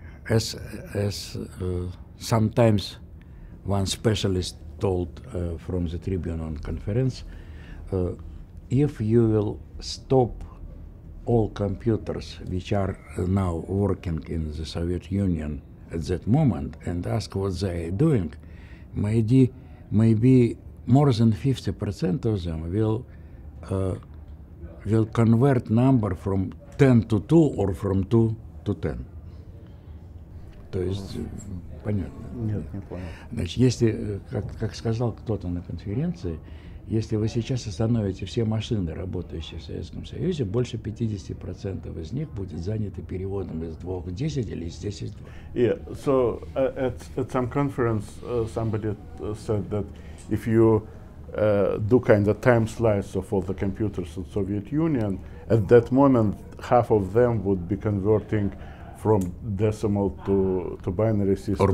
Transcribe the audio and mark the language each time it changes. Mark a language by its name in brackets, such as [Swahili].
[English] sometimes one specialist told from the Tribune on conference, if you will stop all computers which are now working in the Soviet Union at that moment and ask what they are doing, maybe more than 50% of them will convert number from 10 to 2 or from 2 to 10. [Russian] То есть, понятно? Нет, не понял. Значит, если, как сказал кто-то на конференции, если вы сейчас остановите все машины, работающие в Советском Союзе, больше 50% из них будет занято переводом из 2 к 10 или из 10 к 2. [English] Yeah, so at some conference somebody said that if you do kind of time slice of all the computers in Soviet Union, at that moment half of them would be converting from decimal to binary system